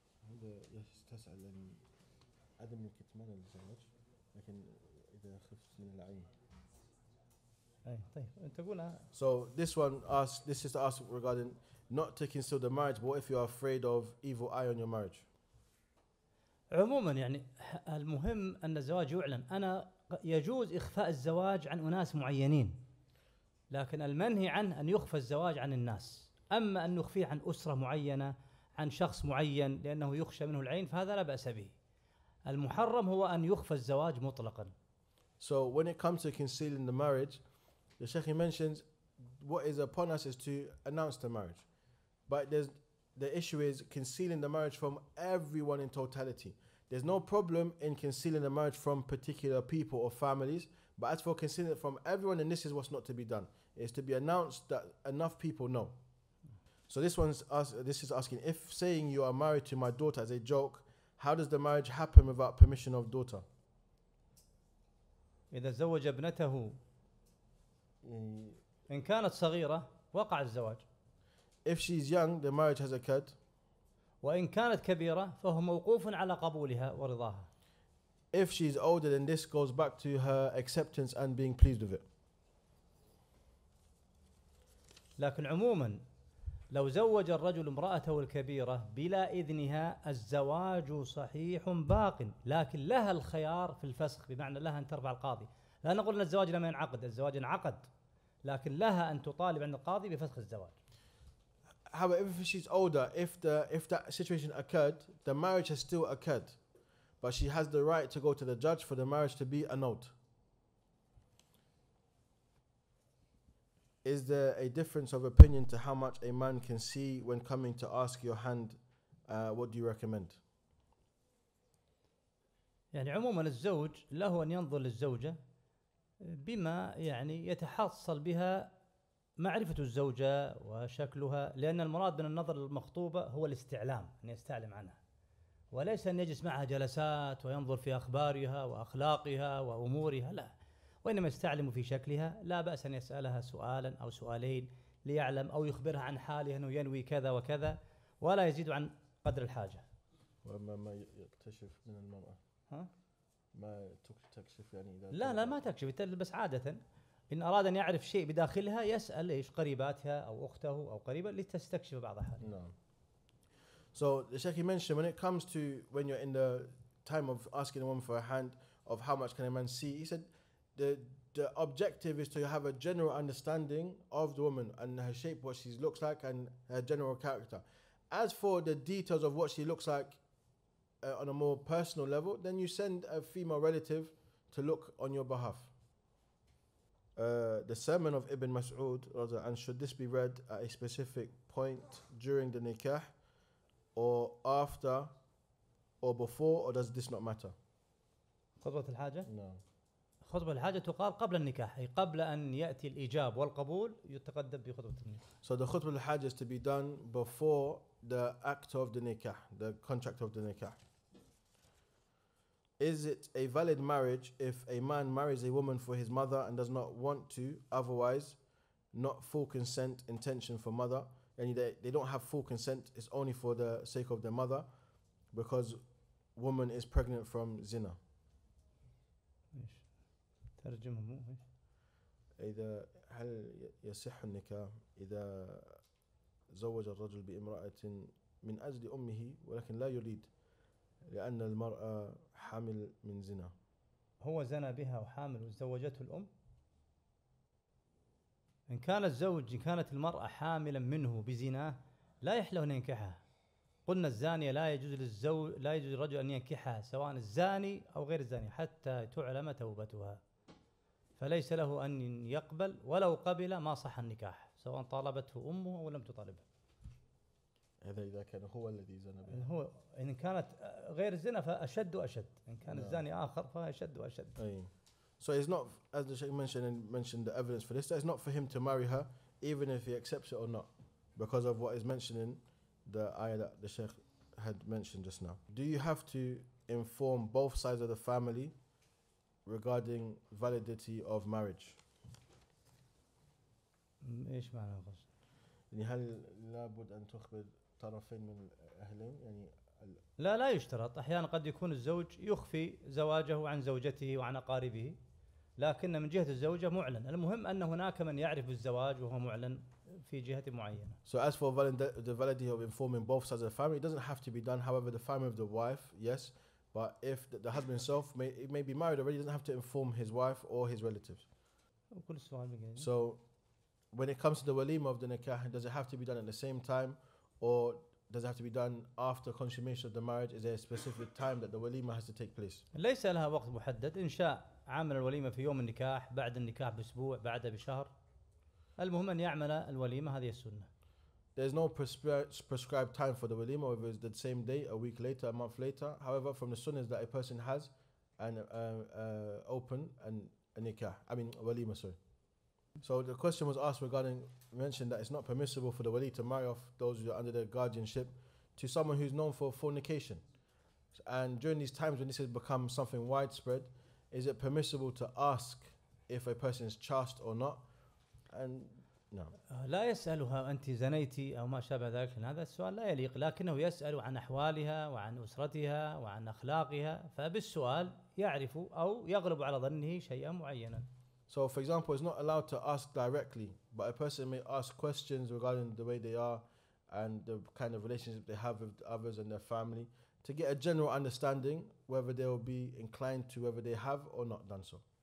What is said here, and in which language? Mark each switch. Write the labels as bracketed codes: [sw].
[ar] هذا يستسعد أن عدم الكتمان للزواج، لكن إذا خفت من العين. أي طيب أنت قولها. [en] So this one asks, this is asked regarding not taking still the marriage, but what if you are afraid of evil eye on your marriage? [ar] عموما يعني المهم ان الزواج يعلن انا يجوز اخفاء الزواج عن اناس معينين لكن المنهي عنه ان يخفى الزواج عن الناس اما ان نخفيه عن اسره معينه عن شخص معين لانه يخشى منه العين فهذا لا باس به المحرم هو ان يخفى الزواج مطلقا [en] So when it comes to concealing the marriage the Sheikh mentions what is upon us is to announce the marriage but The issue is concealing the marriage from everyone in totality. There's no problem in concealing the marriage from particular people or families, but as for concealing it from everyone, then this is what's not to be done. It's to be announced that enough people know. So this is asking, if saying you are married to my daughter is a joke, how does the marriage happen without permission of daughter? [ar] إذا زوج ابنته إن كانت صغيرة وقع الزواج. [en] If she's young, the marriage has occurred. [ar] وإن كانت كبيرة فهو موقوف على قبولها ورضاها. [en] If she's older, then this goes back to her acceptance and being pleased with it. [ar] لكن عموما لو زوج الرجل امرأته الكبيرة بلا إذنها الزواج صحيح باق لكن لها الخيار في الفسخ بمعنى لها أن ترفع القاضي لا نقول أن الزواج لم ينعقد الزواج انعقد لكن لها أن تطالب عند القاضي بفسخ الزواج [en] However, if she's older, if that situation occurred, the marriage has still occurred, but she has the right to go to the judge for the marriage to be annulled. Is there a difference of opinion to how much a man can see when coming to ask your hand? What do you recommend? [ar] يعني عموماً الزوج له أن ينظر للزوجة بما يعني يتحصل بها. معرفة الزوجة وشكلها لأن المراد من النظر المخطوبة هو الاستعلام أن يستعلم عنها وليس أن يجلس معها جلسات وينظر في أخبارها وأخلاقها وأمورها لا وإنما يستعلم في شكلها لا بأس أن يسألها سؤالا أو سؤالين ليعلم أو يخبرها عن حالها أنه ينوي كذا وكذا ولا يزيد عن قدر الحاجة وما ما يكتشف من المرأة ها؟ ما تكشف يعني لا لا ما تكشف بس عادة إن أراد أن يعرف شيء بداخلها يسأل إيش قريباتها أو أخته أو قريبة لتستكشف بعض حالها. [en] No. So the Sheikh mentioned when it comes to when you're in the time of asking a woman for a hand of how much can a man see, he said the objective is to have a general understanding of the woman and her shape, what she looks like and her general character. As for the details of what she looks like on a more personal level, then you send a female relative to look on your behalf. The sermon of Ibn Mas'ud, and should this be read at a specific point during the nikah, or after, or before, or does this not matter? [ar] خطبة الحاجة. [en] No. [ar] خطبة الحاجة تقال قبل النكاح أي قبل أن يأتي الإجاب والقبول يتقدم بخطبة النكاح. [en] So the [ar] خطبة الحاجة [en] is to be done before the act of the nikah, the contract of the nikah. Is it a valid marriage if a man marries a woman for his mother and does not want to otherwise, not full consent intention for mother, يعني they don't have full consent, it's only for the sake of the mother because woman is pregnant from zina. [ar] ايش ترجمه مو ايش اذا هل يصح النكاح اذا زوج الرجل بامرأة من اجل امه ولكن لا يريد لان المرأة حامل من زنا؟ هو زنا بها وحامل وزوجته الام. ان كان الزوج ان كانت المرأة حاملا منه بزناه لا يحل ان ينكحها. قلنا الزانية لا يجوز للزوج لا يجوز للرجل ان ينكحها سواء الزاني او غير الزاني حتى تعلم توبتها, فليس له ان يقبل, ولو قبل ما صح النكاح سواء طالبته امه او لم تطالبه. هذا اذا كان هو الذي زنى بها. إن هو ان كانت غير زنا فاشد واشد, ان كان الزاني اخر فاشد واشد. [en] اي so it's not as the Sheikh mentioned the evidence for this, it's not for him to marry her even if he accepts it or not because of what is mentioned in the ayah that the Sheikh had mentioned just now. Do you have to inform both sides of the family regarding validity of marriage? [ar] ايش معنى القصد؟ يعني هل لابد ان تخبر طرفين من الاهلين؟ يعني لا لا يشترط, احيانا قد يكون الزوج يخفي زواجه عن زوجته وعن اقاربه لكن من جهه الزوجه معلن, المهم ان هناك من يعرف الزواج وهو معلن في جهه معينه. [en] So as for the validity of informing both sides of the family, it doesn't have to be done, however the family of the wife, yes, but if the husband himself may be married already, he doesn't have to inform his wife or his relatives. [ar] كل سؤال بقى. [en] So when it comes to the walima of the nikah, does it have to be done at the same time or does it have to be done after consummation of the marriage? Is there a specific time that the walima has to take place? [ar] ليس لها وقت محدد, ان شاء عمل الوليمه في يوم النكاح, بعد النكاح باسبوع, بعده بشهر, المهم ان يعمل الوليمه, هذه السنه. [en] There's no prescribed time for the walima, whether it's the same day, a week later, a month later. However, from the sunnahs that a person has and open and a nikah, I mean a walima, sorry. So the question was asked regarding, mentioned that it's not permissible for the wali to marry off those who are under their guardianship to someone who's known for fornication. And during these times when this has become something widespread, is it permissible to ask if a person is chaste or not? And no. [ar] لا يسألها أنت زنيتي أو ما شابه ذلك, هذا السؤال لا يليق, لكنه يسأل عن أحوالها وعن أسرتها وعن أخلاقها, فبالسؤال يعرف أو يغلب على ظنه شيئا معينا. [en] So for example, it's not allowed to ask directly, but a person may ask questions regarding the way they are and the kind of relationship they have with others and their family to get a general understanding whether they will be inclined to, whether they have or not done so.